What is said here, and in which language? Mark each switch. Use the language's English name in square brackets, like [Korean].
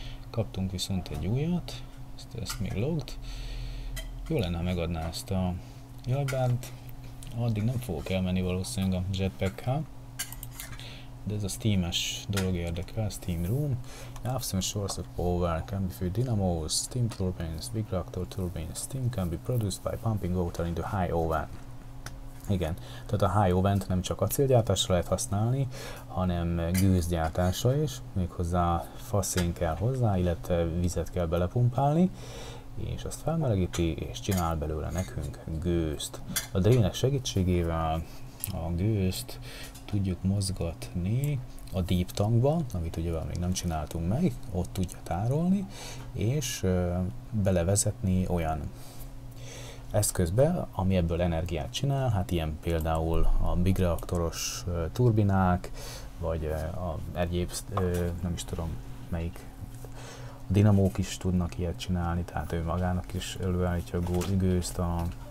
[Hungarian] Kaptunk viszont egy újat, ezt még logged. Jó lenne, ha megadná ezt a jajbárt. Addig nem fogok elmenni valószínűleg a jetpack-hel. De ez a Steam-es dolog érdekel, Steam Room. [English] Absolute source of power can be through dynamos, steam turbines, big reactor turbines. Steam can be produced by pumping water into high oven. [Hungarian] Igen, tehát a high oven-t nem csak acélgyártásra lehet használni, hanem gőzgyártásra is, méghozzá faszén kell hozzá, illetve vizet kell belepumpálni, és azt felmelegíti, és csinál belőle nekünk gőzt. A drének segítségével a gőzt tudjuk mozgatni a deep tankba, amit ugye még nem csináltunk meg, ott tudja tárolni, és belevezetni olyan eszközbe, ami ebből energiát csinál, hát ilyen például a big reaktoros turbinák, vagy a egyéb, nem is tudom melyik, a dinamók is tudnak ilyet csinálni, tehát ő magának is előállítja gőzt a